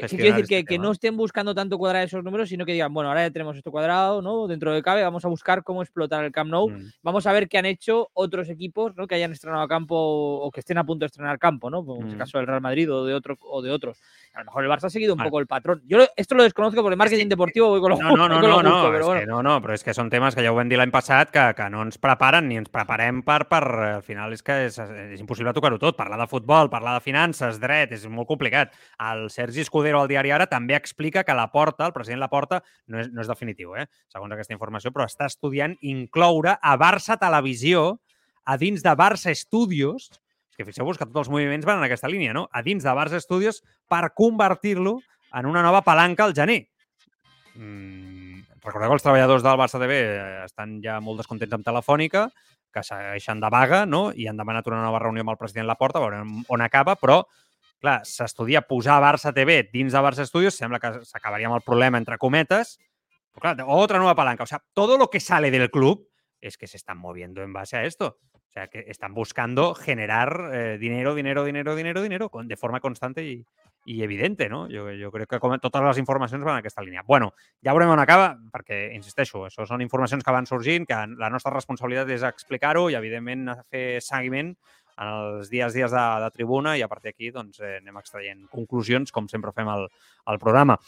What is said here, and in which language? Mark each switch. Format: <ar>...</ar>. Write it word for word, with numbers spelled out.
<es>que, que quiero decir este que, que no estén buscando tanto cuadrar esos números, sino que digan, bueno, ahora ya tenemos esto cuadrado, ¿no? Dentro de cabe, vamos a buscar cómo explotar el Camp Nou, uh-huh. vamos a ver qué han hecho otros equipos, ¿no? Que hayan estrenado campo o que estén a punto de estrenar campo, ¿no? Como en el caso del Real Madrid o de, otro, o de otros. A lo mejor el Barça ha seguido un vale. poco el patrón. Yo esto lo desconozco porque marketing deportiu voy con lo no, no, no, con no, lo justo, no,</es> <ca>però és bueno. que no, no, però és que són temes que ja ho vam dir l'any passat que, que no ens preparen ni ens preparem per, per al final és que és, és impossible tocar-ho tot. Parlar de futbol, parlar de finances, dret, és molt complicat. El Sergi Escudero al diari Ara també explica que la porta, el president la porta, no és, no és definitiu, eh? Segons aquesta informació, però està estudiant incloure a Barça Televisió a dins de Barça Studios que fixeu-vos que tots els moviments van en aquesta línia, no? A dins de Barça Studios per convertir-lo en una nova palanca al gener. Mm, recordeu que els treballadors del Barça T V estan ja molt descontents amb Telefònica, que segueixen de vaga, no? I han demanat una nova reunió amb el president Laporta, veurem on acaba, però, clar, s'estudia posar Barça T V dins de Barça Studios, sembla que s'acabaria amb el problema, entre cometes, però, clar, otra nova palanca.</ca> <es>O sea, todo lo que sale del club es que se están moviendo en base a esto. O sea, que están buscando generar eh, dinero, dinero, dinero, dinero, dinero con, de forma constante y, y evidente, ¿no? Yo, yo creo que</es> <ca>com, totes les informacions van en aquesta línia. Bueno, ja veurem on acaba, perquè, insisteixo, això són informacions que van sorgint, que la nostra responsabilitat és explicar-ho i, evidentment, fer seguiment en els dies dies de, de tribuna i a partir d'aquí doncs, eh, anem extraient conclusions, com sempre fem al, al programa.</ca>